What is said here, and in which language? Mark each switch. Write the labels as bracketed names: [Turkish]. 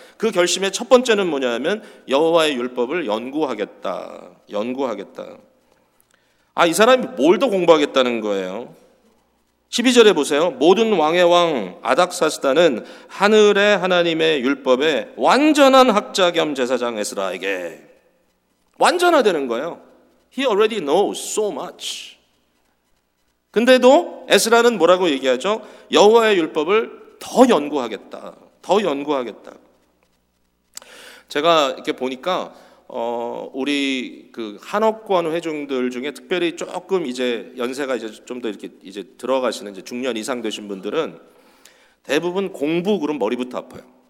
[Korean] 그 결심의 첫 번째는 뭐냐면 여호와의 율법을 연구하겠다. 연구하겠다. 아, 이 사람이 뭘 더 공부하겠다는 거예요. 12절에 보세요. 모든 왕의 왕 아닥사스다는 하늘의 하나님의 율법에 완전한 학자 겸 제사장 에스라에게 완전화되는 거예요. [English] He already knows so much. [Korean] 근데도 에스라는 뭐라고 얘기하죠? 여호와의 율법을 더 연구하겠다. 더 연구하겠다. 제가 이렇게 보니까 우리 그 한옥권 회중들 중에 특별히 조금 이제 연세가 이제 좀 더 이렇게 이제 들어가시는 이제 중년 이상 되신 분들은 대부분 공부 그런 머리부터 아파요.